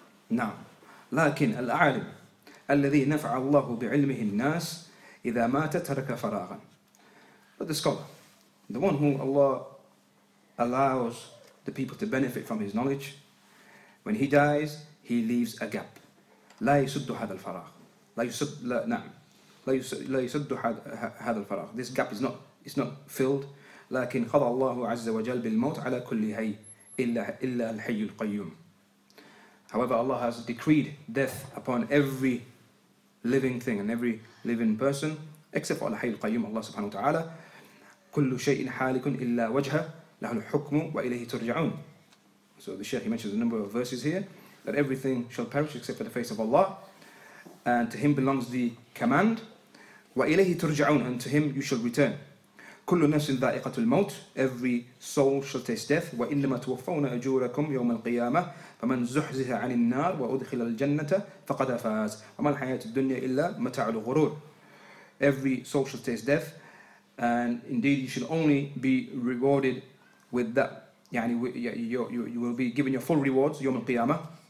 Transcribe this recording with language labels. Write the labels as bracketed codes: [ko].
[ar] Now, لكن العالم الذي نفع الله بعلمه الناس إذا مات ترك فراغا. [en] But the scholar, the one who Allah allows the people to benefit from his knowledge, when he dies, he leaves a gap. [ar] لا يسد هذا الفراغ. لا يسد هذا الفراغ. [en] This gap is not filled. [ar] لكن قضى الله عز وجل بالموت على كل حي إلا الحي القيوم. [en] However, Allah has decreed death upon every living thing and every living person, except for [ar] الحي القيوم, [en] Allah [ar] subhanahu wa ta'ala. كل شيء حالك إلا وجهه له الحكم وإليه ترجعون. [en] So the Shaykh, he mentions a number of verses here, that everything shall perish except for the face of Allah, and to him belongs the command, [ar] وإليه ترجعون, [en] and to him you shall return. [ar] كل نفس ذائقة الموت. [en] Every soul shall taste death. [ar] وإنما توفون أجوركم يوم القيامة فمن زحزح عن النار وأدخل الجنة فقد فاز. وما الحياة الدنيا إلا متاع الغرور. [en] Every soul shall taste death, and indeed you should only be rewarded with that. يعني you will be given your full rewards [ar] يوم القيامة.